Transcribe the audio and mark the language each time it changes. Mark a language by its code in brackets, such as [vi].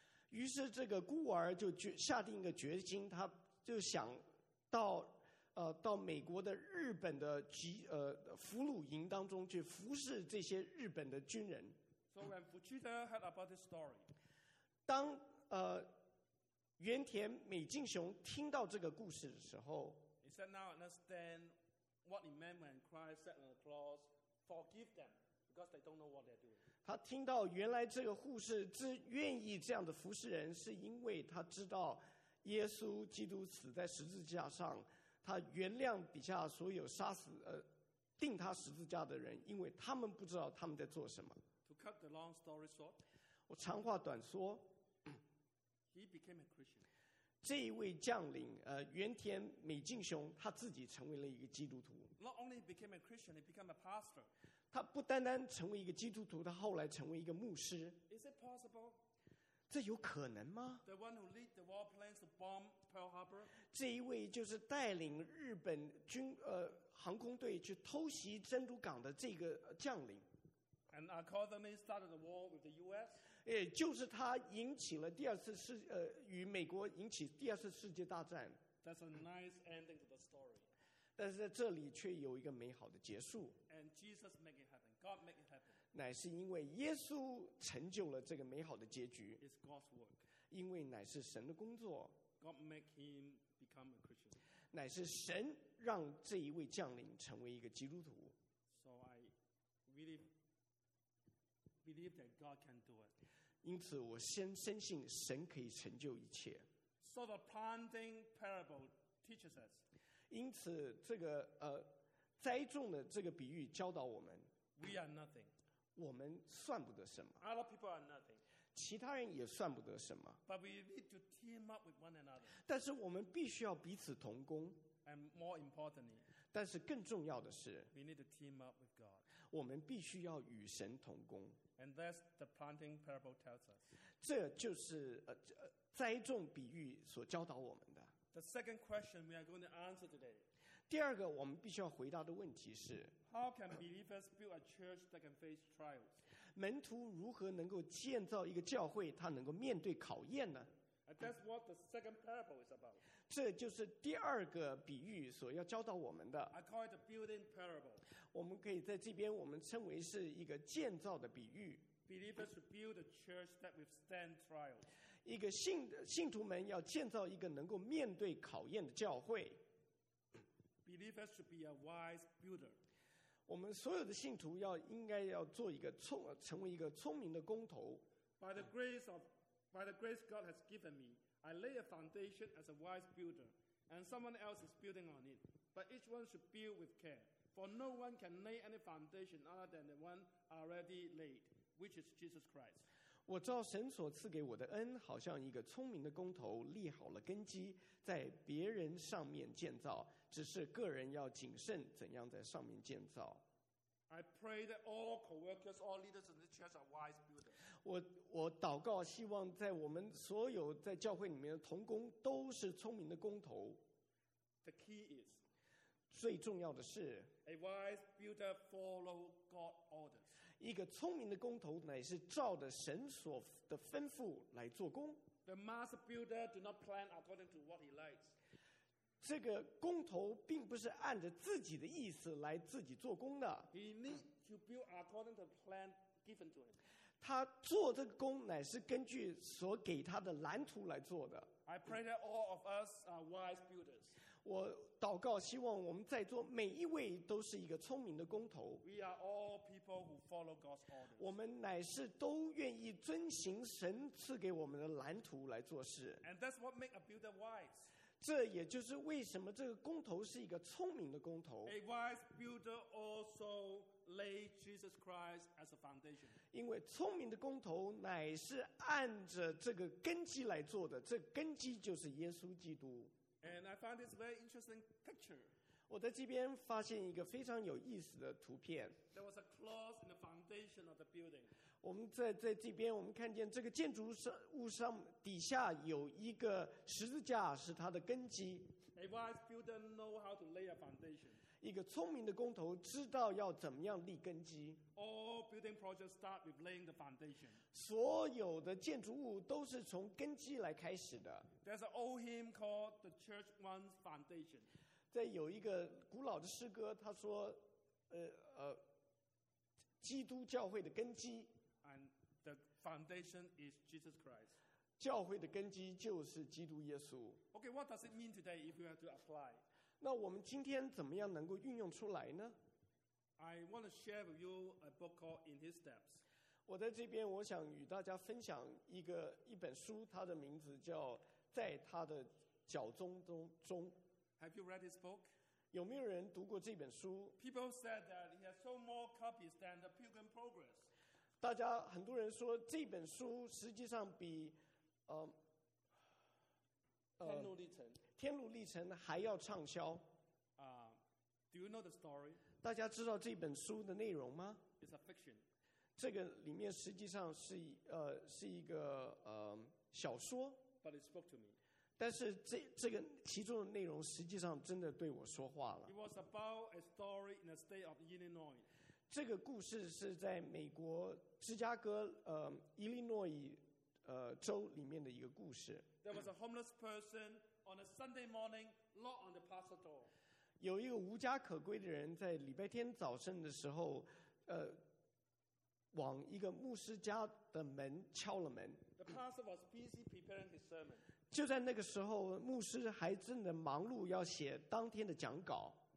[zh] 于是这个孤儿就下定一个决心，他就想到到美国的日本的俘虏营当中去服侍这些日本的军人。 [en] So when Fuchida heard about this story, [zh] 当原田美津雄听到这个故事的时候， [en] he said, "Now understand what it meant when Christ said on the cross, 'Forgive them, because they don't know what they're doing.'" [zh] 他听到原来这个护士之愿意这样的服侍人，是因为他知道耶稣基督死在十字架上，他原谅底下所有杀死钉他十字架的人，因为他们不知道他们在做什么。 [en] To cut the long story short, [zh] 我长话短说。 [en] He became a Christian. [zh] 这一位将领原田美津雄他自己成为了一个基督徒。 [en] Not only became a Christian, he became a pastor. [zh] 他不单单成为一个基督徒，他后来成为一个牧师。 [en] Is it possible? [zh] 这有可能吗？ [en] The one who led the war plans to bomb Pearl Harbor. [zh] 这一位就是带领日本军航空队去偷袭珍珠港的这个将领。 [en] And accordingly started the war with the U.S. [zh] 也就是他引起了第二次世与美国引起第二次世界大战。 [en] That's a nice ending to the story. [zh] 但是在这里却有一个美好的结束。 [en] And Jesus make it happen. God make it happen. [zh] 乃是因为耶稣成就了这个美好的结局。 [en] It's God's work. [zh] 因为乃是神的工作。 [en] God make him become a Christian. [zh] 乃是神让这一位将领成为一个基督徒。 [en] So I really. Believe that God can do it. [zh] 因此我先深信神可以成就一切。 [en] So the planting parable teaches us. [zh] 因此这个栽种的这个比喻教导我们。 [en] We are nothing. [zh] 我们算不得什么。 [en] Other people are nothing. [zh] 其他人也算不得什么。 [en] But we need to team up with one another. [zh] 但是我们必须要彼此同工。 [en] And more importantly, [zh] 但是更重要的是 [en] we need to team up with God. [zh] 我们必须要与神同工。 [en] And that's the planting parable tells us. [zh] 这就是栽种比喻所教导我们的。 [en] The second question we are going to answer today. [zh] 第二个我们必须要回答的问题是 [en] How can believers build a church that can face trials? [zh] 门徒如何能够建造一个教会，他能够面对考验呢？ [en] And that's what the second parable is about. [zh] 这就是第二个比喻所要教导我们的。 [en] I call it a building parable. [zh] 我们可以在这边我们称为是一个建造的比喻。 [en] Believers should build a church that withstand trials. [zh] 一个信徒们要建造一个能够面对考验的教会。 [en] Believers should be a wise builder. [zh] 我们所有的信徒应该要做一个成为一个聪明的工头。 [en] By the grace God has given me, I lay a foundation as a wise builder, and someone else is building on it. But each one should build with care, for no one can lay any foundation other than the one already laid, which is Jesus Christ. [zh] 我照神所赐给我的恩，好像一个聪明的工头，立好了根基，在别人上面建造，只是个人要谨慎怎样在上面建造。 [en] I pray that all co-workers, all leaders in this church are wise builders. [zh] 我祷告，希望在我们所有在教会里面的同工都是聪明的工头。 [en] The key is, [zh] 最重要的是 [en] a wise builder follow God orders. [zh] 一个聪明的工头乃是照着神所的吩咐来做工。 [en] The master builder do not plan according to what he likes. [zh] 这个工头并不是按着自己的意思来自己做工的。 [en] He needs to build according to the plan given to him. [zh] 他做这个工乃是根据所给他的蓝图来做的。 [en] I pray that all of us are wise builders. [zh] 我祷告，希望我们在座每一位都是一个聪明的工头。 [en] We are all people who follow God's orders. [zh] 我们乃是都愿意遵行神赐给我们的蓝图来做事。 [en] And that's what makes a builder wise. [zh] 这也就是为什么这个工头是一个聪明的工头。 [en] A wise builder also laid Jesus Christ as a foundation. [zh] 因为聪明的工头乃是按着这个根基来做的，这根基就是耶稣基督。 [en] And I find this very interesting picture. [zh] 我在这边发现一个非常有意思的图片。 [en] There was a clause in the foundation of the building. [zh] 我们在这边我们看见这个建筑物上底下有一个十字架是它的根基。 [en] A wise builder know how to lay a foundation. [zh] 一个聪明的工头知道要怎么样立根基。 [en] All building projects start with laying the foundation. [zh] 所有的建筑物都是从根基来开始的。 [en] There's an old hymn called The Church One's Foundation. [zh] 在有一个古老的诗歌他说基督教会的根基。 [en] And the foundation is Jesus Christ. [zh] 教会的根基就是基督耶稣。 [en] Okay, what does it mean today if we have to apply? [zh] 那我们今天怎么样能够运用出来呢？ [en] I want to share with you a book called In His Steps. [zh] 我在这边我想与大家分享一本书，它的名字叫在他的脚中。 [en] Have you read this book? [zh] 有没有人读过这本书？ [en] People said that he has sold more copies than the Pilgrim Progress. [zh] 大家很多人说这本书实际上比天路历程还要畅销。 [en] Do you know the story? [zh] 大家知道这本书的内容吗？ [en] It's a fiction. [zh] 这个里面实际上是一个小说。 [en] But it spoke to me. [zh] 但是这个其中的内容实际上真的对我说话了。 [en] It was about a story in the state of Illinois. [zh] 这个故事是在美国芝加哥伊利诺伊州里面的一个故事。 [en] There was a homeless person on a Sunday morning, knocked on the pastor's door. [zh] 有一个无家可归的人在礼拜天早晨的时候往一个牧师家的门敲了门。 [en] The pastor was busy preparing his sermon. [zh] 就在那个时候牧师还正在忙碌要写当天的讲稿。